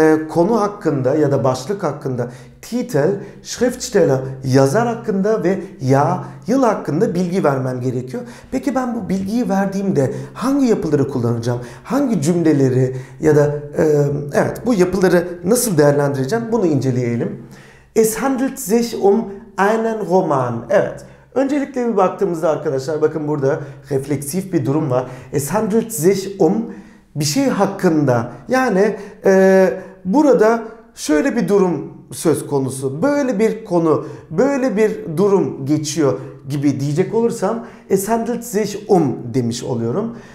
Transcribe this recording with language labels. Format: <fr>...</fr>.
<tr>Konu hakkında ya da başlık hakkında Titel, Schriftsteller, yazar hakkında ve ya yıl hakkında bilgi vermem gerekiyor. Peki ben bu bilgiyi verdiğimde hangi yapıları kullanacağım? Hangi cümleleri ya da evet, bu yapıları nasıl değerlendireceğim? Bunu inceleyelim.</tr> <de>Es handelt sich einen Roman.</de> <tr>Evet. Öncelikle bir baktığımızda arkadaşlar, bakın burada refleksif bir durum var.</tr> <de>Es handelt sich</de> <tr>bir şey hakkında. Yani burada şöyle bir durum söz konusu. Böyle bir konu, böyle bir durum geçiyor gibi diyecek olursam</tr> <de>es handelt sich</de> <tr>demiş oluyorum.</tr>